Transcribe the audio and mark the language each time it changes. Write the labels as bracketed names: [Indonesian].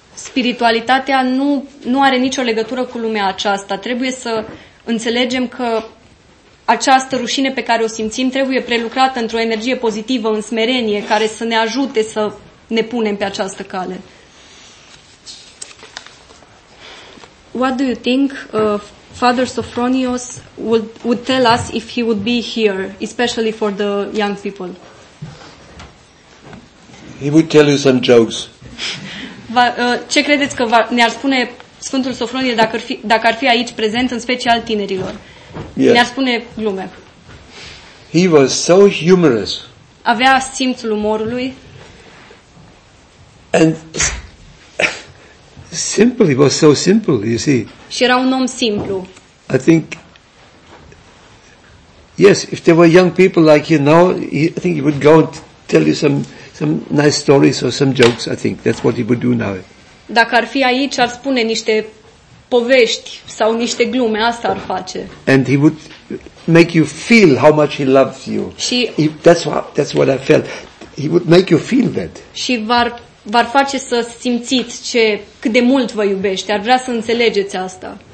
[Romanian] Spiritualitatea nu are nicio legătură cu lumea aceasta. Trebuie să înțelegem că această rușine pe care o simțim trebuie prelucrată într-o energie pozitivă, în smerenie, care să ne ajute să ne punem pe această cale. [English] What do you think Father Sophronios would tell us if he would be here, especially for the young people? He would tell you some jokes. [Romanian] Ce credeți că ne-ar spune Sfântul Sofronie dacă ar fi aici prezent, în special tinerilor? [English] Yes. [Romanian] Ne-ar spune glume. [English] He was so humorous. [Romanian] Avea simțul umorului. [English] And simple, he was so simple, you see. [Romanian] Și era un om simplu. [English] I think, yes, if there were young people like you now, I think he would go and tell you some nice stories or some jokes, I think. That's what he would do now. [Romanian] Dacă ar fi aici, ar spune niște povești sau niște glume, asta ar face. [English] And he would make you feel how much he loves you. [Romanian] Și [English] that's what I felt. He would make you feel that. [Romanian] Și v-ar face să simțiți cât de mult vă iubește. Ar vrea să înțelegeți asta.